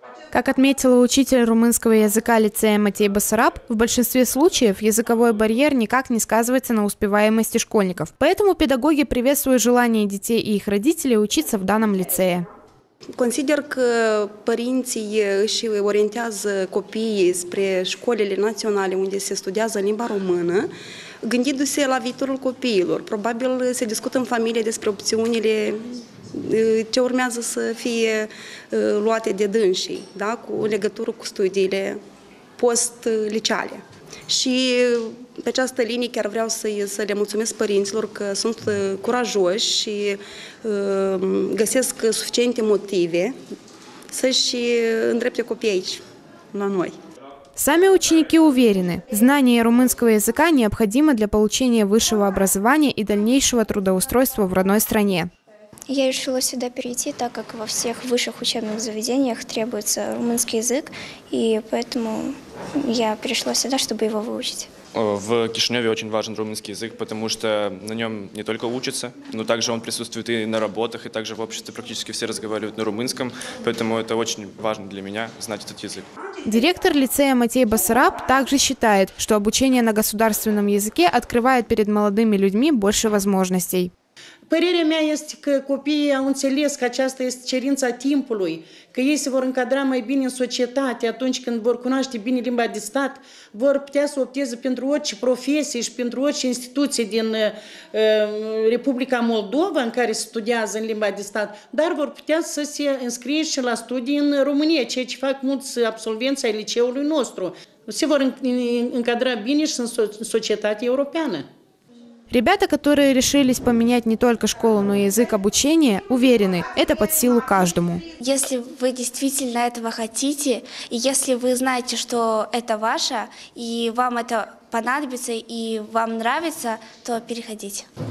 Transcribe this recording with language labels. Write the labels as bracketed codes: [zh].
[ru] Как отметила учитель румынского языка лицея Матей Басараб, в большинстве случаев языковой барьер никак не сказывается на успеваемости школьников. Поэтому педагоги приветствуют желание детей и их родителей учиться в данном лицее. [ro] Consider că părinții își orientează copiii spre școlile naționale unde se studiază limba română, gândindu-se la viitorul copiilor. Probabil se discută în familie despre opțiunile ce urmează să fie luate de dânsii, da, cu legătură cu studiile post-liceale. Și pe această linie chiar vreau să le mulțumesc părinților că sunt curajoși și găsesc suficiente motive să-și îndrepte copiii aici, la noi. [ru] Сами ученики уверены, знание румынского языка необходимо для получения высшего образования и дальнейшего трудоустройства в родной стране. Я решила сюда перейти, так как во всех высших учебных заведениях требуется румынский язык, и поэтому я пришла сюда, чтобы его выучить. В Кишиневе очень важен румынский язык, потому что на нем не только учатся, но также он присутствует и на работах, и также в обществе практически все разговаривают на румынском, поэтому это очень важно для меня, знать этот язык. Директор лицея Матей Басараб также считает, что обучение на государственном языке открывает перед молодыми людьми больше возможностей. [ro] Părerea mea este că copiii au înțeles că aceasta este cerința timpului, că ei se vor încadra mai bine în societate atunci când vor cunoaște bine limba de stat, vor putea să opteze pentru orice profesie și pentru orice instituție din Republica Moldova în care studiază în limba de stat, dar vor putea să se înscrie și la studii în România, ceea ce fac mulți absolvenți ai liceului nostru. Se vor încadra bine și în societatea europeană. [ru] Ребята, которые решились поменять не только школу, но и язык обучения, уверены, это под силу каждому. Если вы действительно этого хотите, и если вы знаете, что это ваше, и вам это понадобится, и вам нравится, то переходите.